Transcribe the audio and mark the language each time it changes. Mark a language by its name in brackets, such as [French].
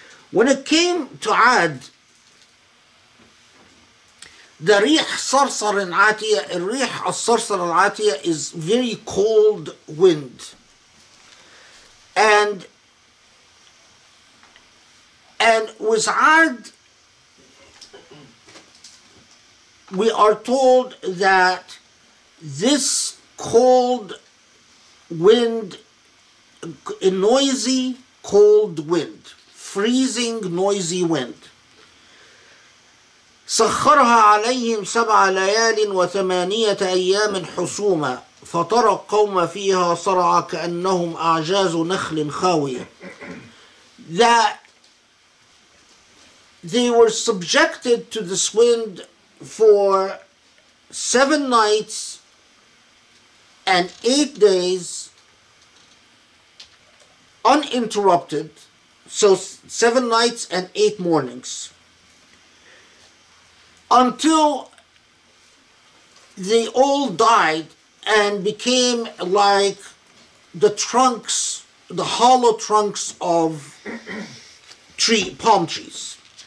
[English] When it came to Ad, the rih sarsar al-atiyah, rih al-sarsar al-atiyah is very cold wind. And with Ad, we are told that this cold wind, a noisy cold wind, freezing noisy wind, [Arabic] سخرها عليهم سبع ليال وثمانية أيام حسوما فترى القوم فيها صرعا كأنهم أعجاز نخل خاوية. [English] That they were subjected to this wind for 7 nights and 8 days uninterrupted, so 7 nights and 8 mornings, until they all died and became like the trunks, the hollow trunks of palm trees.